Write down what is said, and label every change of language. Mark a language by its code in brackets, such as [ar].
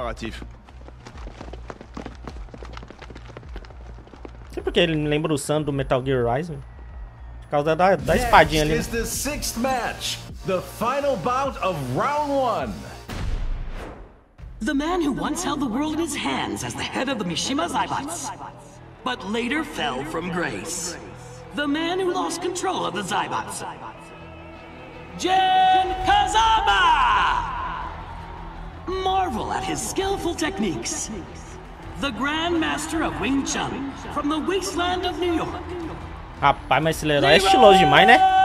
[pt] Não sei porque ele me lembra o Sam do Metal Gear Rising, velho. Por causa da espadinha ali. [en] Is the sixth match, the final bout of round one. The man who once held the world in his hands as the head of the Mishima Zaibats, but later fell from grace. The man who lost control of the Zaibats. Gen Kazama! Marvel at his skillful techniques. The Grand Master of Wing Chun from the wasteland of New York. [pt] Rapaz, mas esse herói é estiloso demais, né?